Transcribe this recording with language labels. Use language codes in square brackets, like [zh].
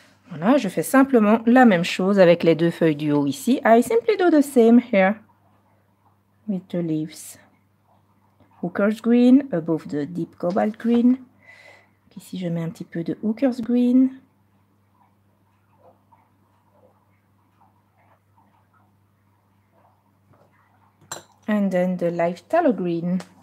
[fr] Voilà, je fais simplement la même chose avec les deux feuilles du haut ici. [en] I simply do the same here with the leaves. Hooker's Green above the deep cobalt green. [fr] Ici, je mets un petit peu de Hooker's Green. [en] And then the live tallow green.